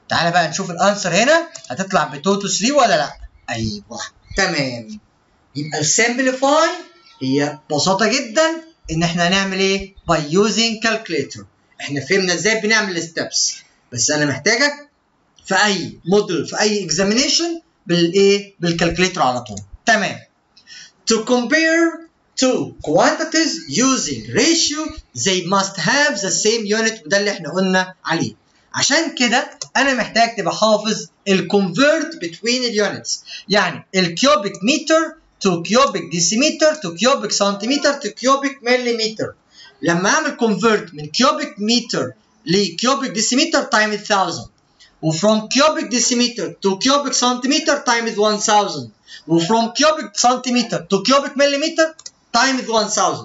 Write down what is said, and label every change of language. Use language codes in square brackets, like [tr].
[ar] تعالى بقى نشوف الانسر هنا هتطلع ب 2 تو 3 ولا لا. ايوه تمام، يبقى السمبليفاي هي ببساطه جدا ان احنا نعمل ايه؟ باي يوزنج كالكليتر. احنا فهمنا ازاي بنعمل الستبس، بس انا محتاجك في اي موديل في اي اكزامينشن بالايه؟ بالكالكليتر على طول. [en] تمام، to compare two quantities using ratio they must have the same unit، [ar] وده اللي احنا قلنا عليه. عشان كده انا محتاج تبقى حافظ الconvert between the units، يعني الكيوبيك متر to كيوبيك ديسيمتر to كيوبيك سنتيمتر to كيوبيك مليمتر. لما اعمل كونفرت من كيوبيك متر لكيوبيك ديسيمتر تايم 1000 وفروم كيوبيك ديسيمتر تو كيوبيك سنتيمتر تايم 1000 وفروم كيوبيك سنتيمتر تو كيوبيك مليمتر تايم 1000.